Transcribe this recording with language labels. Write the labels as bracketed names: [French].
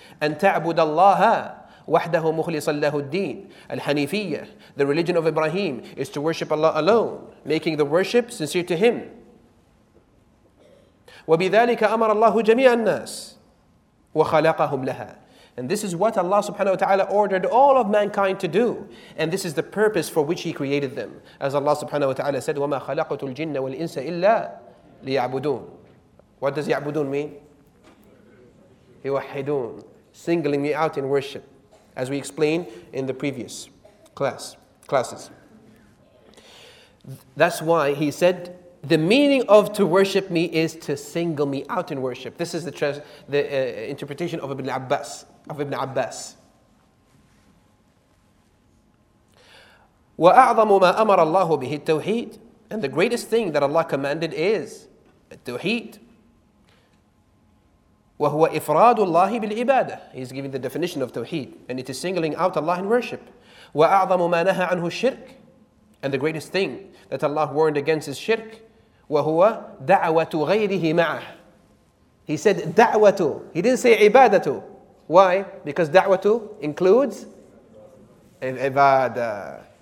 [Arabic] أن تعبد الله وحده مخلصا له الدين. [English] Al-Hanifiyyah, the religion of Ibrahim, is to worship Allah alone, making the worship sincere to Him. [Arabic] وبذلك أمر الله جميع الناس وخلقهم لها. [English] And this is what Allah subhanahu wa ta'ala ordered all of mankind to do. And this is the purpose for which He created them. As Allah subhanahu wa ta'ala said, [Arabic] وَمَا خَلَقَتُ الْجِنَّ وَالْإِنسَ إِلَّا لِيَعْبُدُونَ. [English] What does يَعْبُدُونَ mean? يُوَحِّدُونَ. Singling me out in worship. As we explained in the previous classes. That's why he said, the meaning of to worship me is to single me out in worship. This is the interpretation of Ibn Abbas. [Arabic] وَأَعْظَمُ مَا أَمَرَ اللَّهُ بِهِ التَّوْحِيدِ. [English] And the greatest thing that Allah commanded is التوحيد. [Arabic] وهو إفراد الله بالعبادة. [English] He's giving the definition of توحيد, and it is singling out Allah in worship. [Arabic] وأعظم ما نهى عنه الشرك. [English] And the greatest thing that Allah warned against is shirk. [Arabic] وهو دعوة غيره معه. [English] He said [Arabic] دعوة. [English] He didn't say عبادة. Why? Because دعوة includes العبادة.